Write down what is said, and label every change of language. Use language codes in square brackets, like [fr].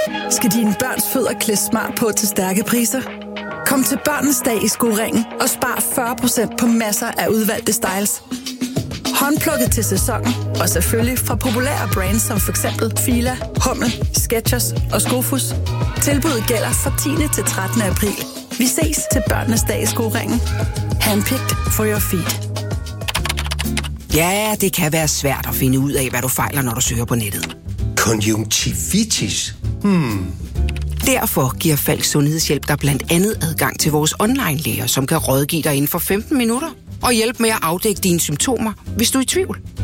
[da] Skal dine børns fødder klædes smart på til stærke priser? Kom til Børnens Dag i Skoringen og spar 40% på masser af udvalgte styles. Håndplukket til sæsonen og selvfølgelig fra populære brands som for eksempel Fila, Hummel, Skechers og Skofus. Tilbuddet gælder fra 10. til 13. april. Vi ses til Børnenes Dag i Skoringen. [en] Handpicked for your feet. [da] Ja, det kan være svært at finde ud af, hvad du fejler, når du søger på nettet. Konjunktivitis? Derfor giver Falk Sundhedshjælp dig blandt andet adgang til vores online-læger, som kan rådgive dig inden for 15 minutter og hjælpe med at afdække dine symptomer, hvis du er i tvivl.